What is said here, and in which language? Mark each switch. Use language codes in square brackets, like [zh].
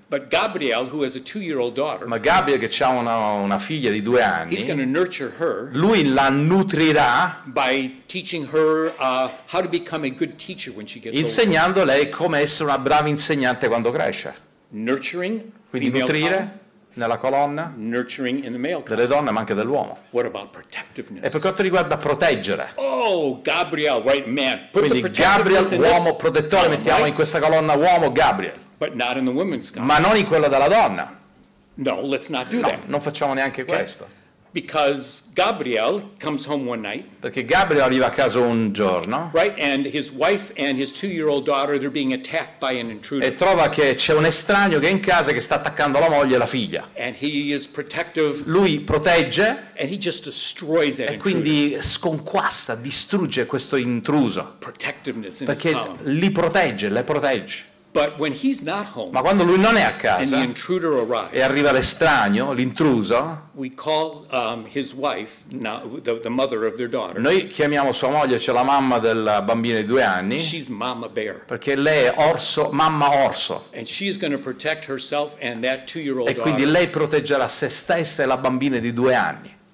[en] But Gabriel, who has a two-year-old daughter, [it] ma Gabriel che ha una figlia di due anni, [en] he's going to nurture her. [it] Lui la nutrirà [en] by teaching her how to become a good teacher when she gets older. [it] Insegnando lei come essere una brava insegnante quando cresce. [en] Nurturing. [it] Quindi nutrire [en] column, [it] nella colonna. [en] Nurturing in the male. Column. [it] Delle donne ma anche dell'uomo. [en] What about protectiveness? [it] E per quanto riguarda proteggere. [en] Oh, Gabriel, right man. Put [it] quindi [en] the [it] Gabriel, uomo [en] this [it] protettore, [en] column, [it] mettiamo [en] right? [it] In questa colonna uomo Gabriel. [en] But not in the women's column. [it] Ma non in quella della donna. [en] No, let's not do [it] no, [en] that. [it] Non facciamo neanche okay? Questo. [en] Because Gabriel comes home one night. [it] Perché Gabriel arriva a casa un giorno. [en] Right, and his wife and his two-year-old daughter they're being attacked by an intruder. [it] E trova che c'è un estraneo che è in casa che sta attaccando la moglie e la figlia. [en] And he is protective. [it] Lui protegge. [en] And he just destroys that [it] e quindi [en] intruder. [it] Sconquassa, distrugge questo intruso. [en] Protectiveness in [it] perché [en] his column. [it] Li protegge, le protegge. [en] But when he's not home, [it] ma quando lui non è a casa [en] and the intruder arrives, [it] e arriva l'estraneo, l'intruso, [en] we call, his wife, now, the mother of their daughter. [it] Noi chiamiamo sua moglie, cioè la mamma della bambina di due anni, [en] she's mama bear. [it] Perché lei è orso, mamma orso. [en] And she's gonna protect herself and that two-year-old [it] e quindi [en] daughter. [it] Lei proteggerà se stessa e la bambina di due anni.